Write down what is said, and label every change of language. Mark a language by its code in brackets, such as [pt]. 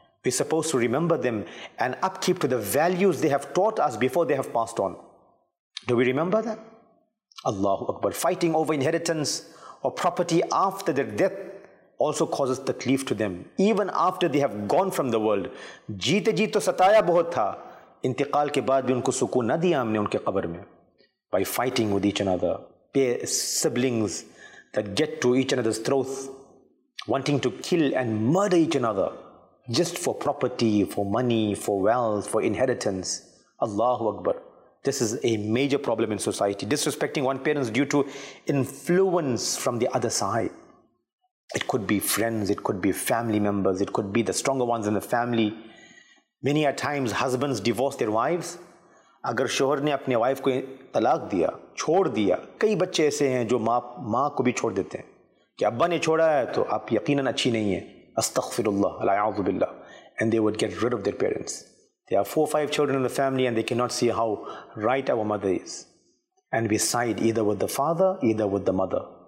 [en] We're supposed to remember them and upkeep to the values they have taught us before they have passed on. Do we remember that? Allahu Akbar. Fighting over inheritance or property after their death also causes takleef to them. Even after they have gone from the world, [ur] jeete jeete to sataya bahut tha, انتقال کے بعد بھی ان کو سکون نہ دیا ہم نے ان کے قبر میں. [en] By fighting with each other, peer siblings that get to each others throat wanting to kill and murder each other just for property, for money, for wealth, for inheritance. اللہ اکبر, this is a major problem in society, disrespecting one parents due to influence from the other side. It could be friends, it could be family members, it could be the stronger ones in the family. Many are times husbands divorce their wives. [ur] اگر شوہر نے اپنے wife کو طلاق دیا, چھوڑ دیا, کئی بچے ایسے ہیں جو ماں کو بھی چھوڑ دیتے ہیں کہ ابا نے چھوڑا ہے تو آپ یقیناً اچھی نہیں ہیں. [en] استغفر اللہ, اعوذ باللہ, and they would get rid of their parents. They are four five children in the family and they can not see how right our mother is, and we side either with the father, either with the mother.